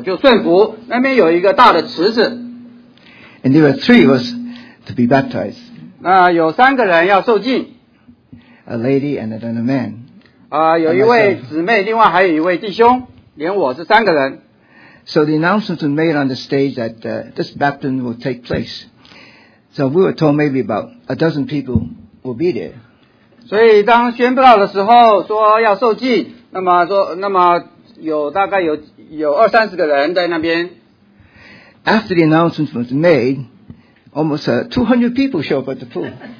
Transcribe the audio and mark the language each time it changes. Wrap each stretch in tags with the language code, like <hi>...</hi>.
<zh>所以若是我就感觉说主要我做的，那我就顺服，那边有一个大的池子。</zh> <en>And there were 3 of us to be baptized.</en> <zh>那有3个人要受浸。</zh> <en>A lady and then a man.</en> <zh>有一位姊妹，另外还有一位弟兄，连我是3个人。</zh> <en>So the announcement was made on the stage that this baptism will take place. So we were told maybe about 12 people will be there.</en> <zh>所以当宣布到的时候说要受浸，那么有大概有二三十个人在那边。</zh> <en>After the announcement was made, almost 200 people show up at the pool.</en>